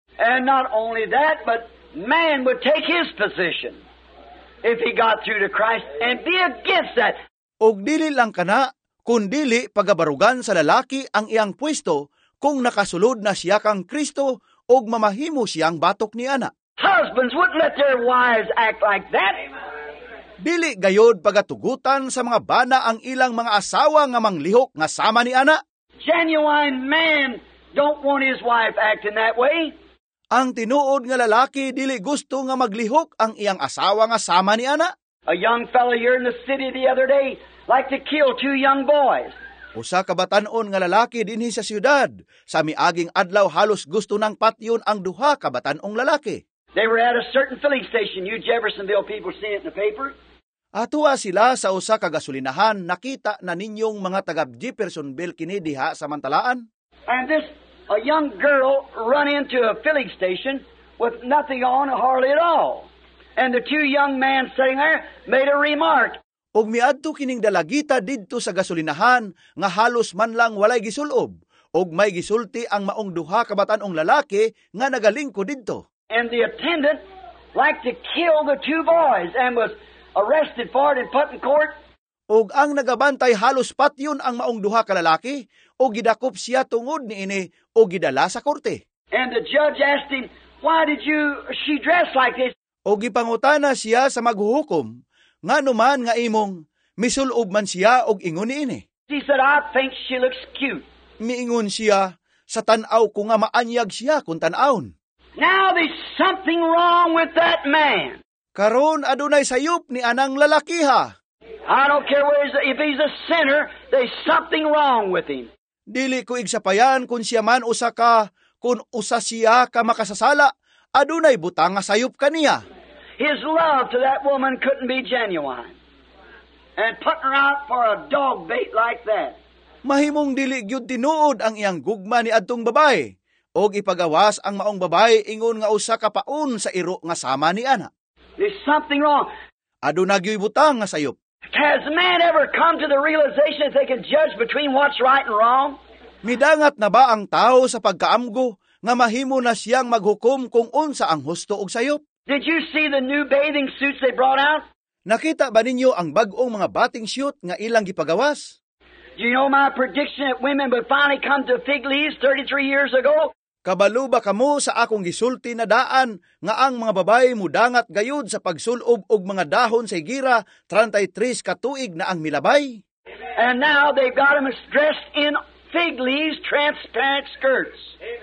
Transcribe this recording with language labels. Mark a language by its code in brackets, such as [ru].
[en] And not only that, but man would take his position if he got through to Christ and be against that. [ceb] Ug dili lang kana, kundili pagabarugan sa lalaki ang iyang pwesto kung nakasulod na siya kang Kristo ug mamahimo siyang batok ni ana. [en] Husbands wouldn't let their wives act like that. [ceb] Dili gayod pagatugutan sa mga bana ang ilang mga asawa nga manglihok nga sama ni ana. [en] Genuine man don't want his wife acting that way. [ceb] Ang tinuod nga lalaki dili gusto nga maglihok ang iyang asawa nga sama ni ana. [en] A young fellow here in the city the other day liked to kill two young boys. [ceb] Usa ka batan-on nga lalaki dinhi sa siyudad, sa miaging adlaw halos gusto nang patyon ang duha ka batan-ong lalaki. [en] They were at a certain filling station, New Jeffersonville people seen it in the paper. [ceb] Atua sila sa usa ka gasolinahan, nakita na ninyong mga taga Jeffersonville kini diha samantalaan. [en] And this a young girl run into a filling station with nothing on hardly at all. And the two young men sitting there made a remark. [ceb] Ug miadto kining dalagita didto sa gasolinahan nga halos man lang walay gisulob, ug may gisulti ang maong duha ka batan-ong lalaki nga nagalingkod didto. [en] And the attendant liked to kill the two boys and was arrested for it and put in court. [ceb] Ug ang nagabantay halos patyon ang maong duha ka lalaki, ug gidakop siya tungod niini ug gidala sa korte. [en] And the judge asked him, "Why did you she dress like this?" [ceb] Ug gipangutana siya sa maghuhukom, "Ngano man nga imong misulob man siya ug ingon niini?" [en] He said, "I think she looks cute." [ceb] Miingon siya, "Sa tan-aw ko nga maanyag siya kun tan-awon." [en] Now there's something wrong with that man. [ceb] Karon adunay sayup ni anang lalakiha. [en] I don't care where if he's a sinner, there's something wrong with him. [ceb] Dili ko igsapayan kun siya man usa ka kun usa siya ka makasasala, adunay butang nga sayup kaniya. [en] His love to that woman couldn't be genuine. And putting her out for a dog bait like that. [ceb] Mahimong dili gyud tinuod ang iyang gugma ni adtong babay. Og ipagawas ang maong babae ingon nga usa ka paon sa iro nga sama ni ana. [en] There's something wrong. [ceb] Aduna gyud butang nga sayop. [en] Has man ever come to the realization that they can judge between what's right and wrong? [ceb] Midangat na ba ang tao sa pagkaamgo nga mahimo na siyang maghukom kung unsa ang husto og sayop? [en] Did you see the new bathing suits they brought out? [ceb] Nakita ba ninyo ang bag-ong mga bathing suit nga ilang gipagawas? [en] Do you know my prediction that women would finally come to fig leaves 33 years ago? [ceb] Kabalo ba kamo sa akong gisulti na daan nga ang mga babae mudangat gayud sa pagsulob og mga dahon sa gira 33 katuig na ang milabay? [en] And now they've got them dressed in fig leaves transparent skirts.